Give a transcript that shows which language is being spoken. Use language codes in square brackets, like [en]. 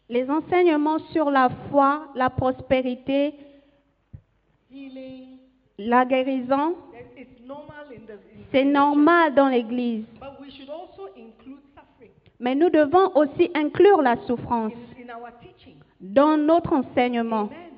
[fr] Les enseignements sur la foi, la prospérité, [en] healing, [fr] la guérison, [en] it's normal [fr] c'est normal dans l'église. [en] But we should also include suffering. [fr] Mais nous devons aussi inclure la souffrance. Dans notre enseignement.